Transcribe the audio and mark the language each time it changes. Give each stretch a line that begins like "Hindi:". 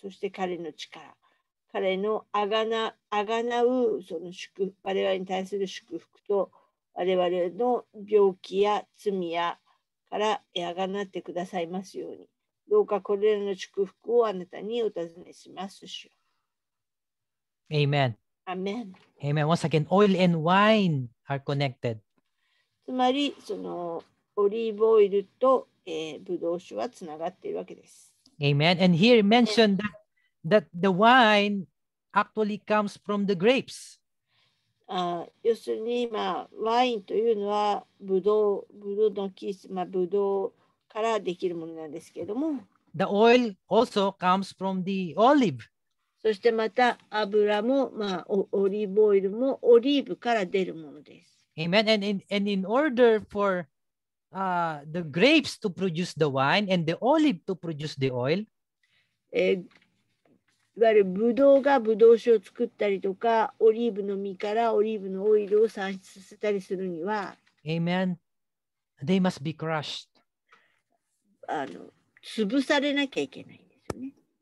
Japanese: そして彼の力、彼のあがなうその祝福、我々に対する祝福と我々の病気や罪やからあがなってくださいますように、どうかこれらの祝福をあなたにお尋ねします。主
English: Amen. Amen. Amen. Once again, oil and wine are connected.
Japanese: つまりそのオリーブオイルとブドウ酒はつながっているわけです。
English: Amen. And here mentioned that the wine actually comes from the grapes.
Japanese: 要するに、まあ、ワインというのはブドウの木、まあ、ブドウからできるものなんですけれども。
English: The oil also comes from the olive.
Japanese: そしてまた油も、まあ、オリーブオイルもオリーブから出るものです。
English: Amen. And in order forthe grapes to produce the wine and the olive to produce the oil.
Japanese: いわゆるブドウがブドウ酒を作ったりとか、オリーブの実からオリーブのオイルを産出させたりするには、
English: Amen. They must be crushed.
Japanese: 潰されなきゃいけないんですよね。